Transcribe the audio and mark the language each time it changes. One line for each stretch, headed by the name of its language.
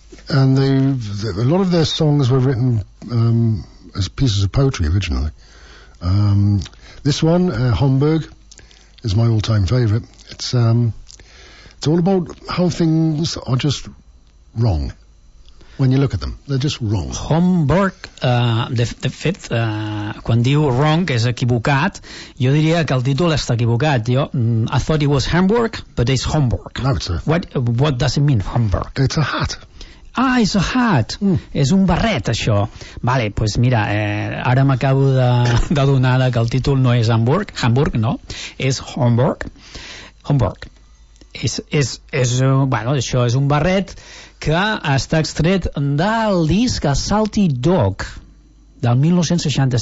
English: And a lot of their songs were written as pieces of poetry originally. This one, Homburg, is my all-time favourite. It's all about how things are just wrong when you look at them. They're just wrong.
Catalan: Homburg, de fet, quan diu wrong, és equivocat, jo diria que el títol està equivocat.
English: Jo, I thought it was Hamburg, but it's Homburg. No, it's a... What does it mean, Homburg? It's a hat. Ah, it's a hat.
Catalan: Mm. És un barret, això.
Spanish: Vale, pues mira,
Catalan: ara m'acabo d'adonar que el títol no és Hamburg. Hamburg, no. És Homburg. Homburg. Bueno, això és un barret que està extret del disc Salty Dog del 1967.